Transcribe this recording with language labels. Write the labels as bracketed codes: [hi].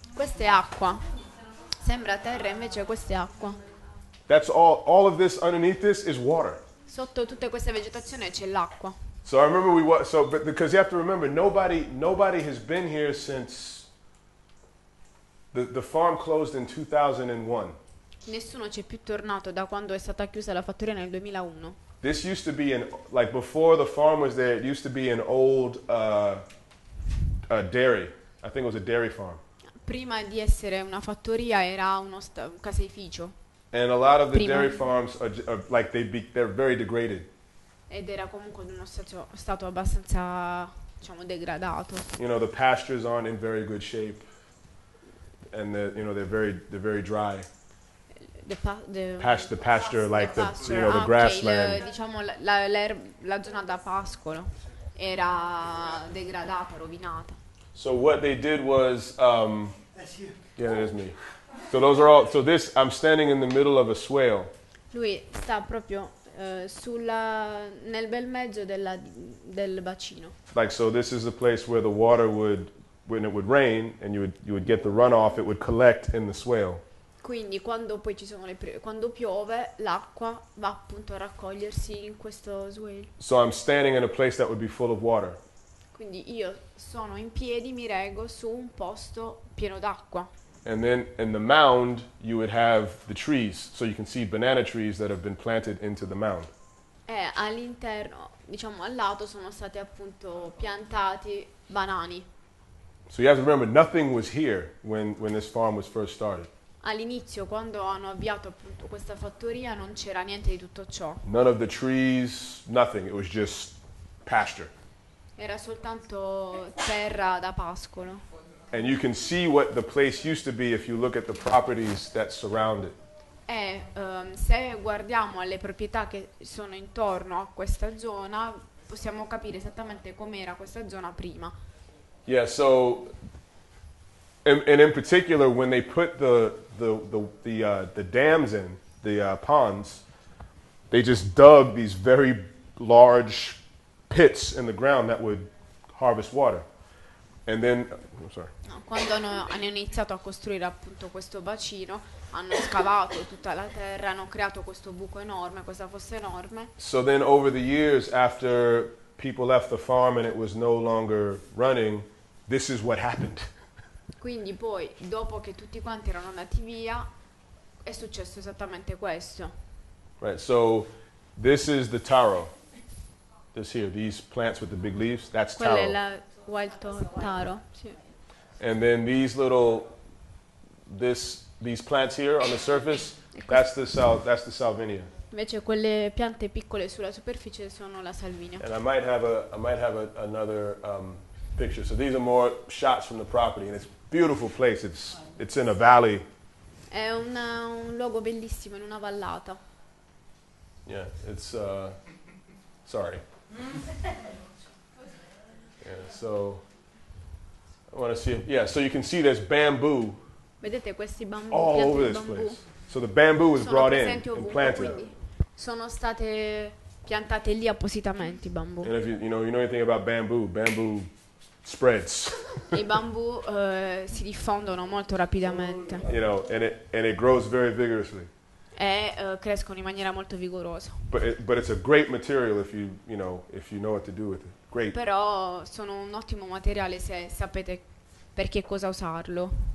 [it] Questa è acqua. Sembra terra, invece questa è acqua. [en] That's all of this underneath this is water. [it] Sotto tutta questa vegetazione c'è l'acqua. [en] So I remember but because you have to remember, nobody has been here since the farm closed in 2001. [it] Nessuno c'è più tornato da quando è stata chiusa la fattoria nel 2001. [en] This used to be before the farm was there, it used to be an old dairy. I think it was a dairy farm. [it] Prima di essere una fattoria era un caseificio. [en] And a lot of the dairy farms they're very degraded. [it] Ed era comunque in uno stato abbastanza, diciamo, degradato. [en] You know, the pastures aren't in very good shape. And they're very dry. The pasture, like the pasture. The grassland. [it] Diciamo la zona da pascolo era degradata, rovinata. [en] So what they did was, yeah, it is me. So those are all. So this, I'm standing in the middle of a swale. [it] Lui sta proprio nel bel mezzo del bacino. [en] Like so, this is the place where the water would, when it would rain, and you would get the runoff, it would collect in the swale. [it] Quindi quando poi quando piove, l'acqua va appunto a raccogliersi in questo swale. [en] So I'm standing in a place that would be full of water. [it] Quindi io sono in piedi, mi reggo su un posto pieno d'acqua. [en] And then in the mound you would have the trees, so you can see banana trees that have been planted into the mound. [it] All'interno, diciamo al lato, sono stati appunto piantati banani. [en] So you have to remember, nothing was here when this farm was first started. [it] All'inizio, quando hanno avviato appunto questa fattoria, non c'era niente di tutto ciò. [en] None of the trees, nothing. It was just pasture. [it] Era soltanto terra da pascolo. [en] And you can see what the place used to be if you look at the properties that surround it. [it] E se guardiamo alle proprietà che sono intorno a questa zona, possiamo capire esattamente com'era questa zona prima. [en] Yeah, so and in particular when they put the dams in, the ponds, they just dug these very large pits in the ground that would harvest water. And then [it] quando hanno iniziato a costruire appunto questo bacino, hanno scavato tutta la terra, hanno creato questo buco enorme, questa fossa enorme. [en] So then over the years after people left the farm and it was no longer running, this is what happened. [it] Quindi poi dopo che tutti quanti erano andati via, è successo esattamente questo. [en] Right, so this is the taro. This here, these plants with the big leaves, that's taro. [it] Quella è la wild taro, sì. [en] And then these little these plants here on the surface, that's the salvinia. [it] Invece quelle piante piccole sulla superficie sono la salvinia. [en] And I might have another picture. So these are more shots from the property and it's a beautiful place. It's in a valley. [it] È un luogo bellissimo in una vallata. [en] Yeah, it's sorry. Yeah, so I want to see. Yeah, so you can see there's bamboo. [it] Vedete questi bamboo, [en] all over this bamboo. Place. So the bamboo was brought in and planted. [it] Sono state piantate lì appositamente i bamboo. [en] And if you know anything about bamboo, bamboo spreads. [it] I bamboo si diffondono molto rapidamente. [en] You know, and it grows very vigorously. [it] E crescono in maniera molto vigorosa. [en] But it's a great material if you know what to do with it. Great. [it] Però sono un ottimo materiale se sapete per che cosa usarlo.